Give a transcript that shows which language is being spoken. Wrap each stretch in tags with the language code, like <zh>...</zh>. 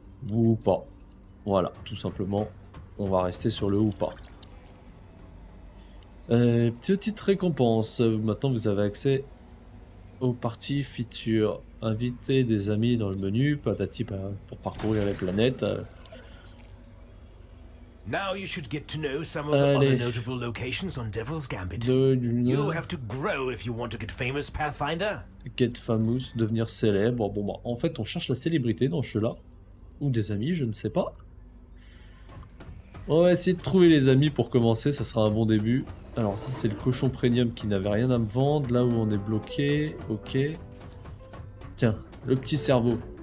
<fr>Ou pas. Voilà, tout simplement. On va rester sur le ou pas. Petite récompense. Maintenant, vous avez accès aux parties features. Inviter des amis dans le menu. Patati, pour parcourir les planètes.</fr> <en>Now you should get to know some of the other notable locations on Devil's Gambit. You have to grow if you want to get famous, Pathfinder. Get famous,</en> <fr>devenir célèbre. Bon, bah, en fait, on cherche la célébrité dans ce jeu-là. Ou des amis, je ne sais pas. On va essayer de trouver les amis pour commencer, ça sera un bon début. Alors ça, c'est le cochon premium qui n'avait rien à me vendre. Là où on est bloqué, ok. Tiens, le petit cerveau.</fr>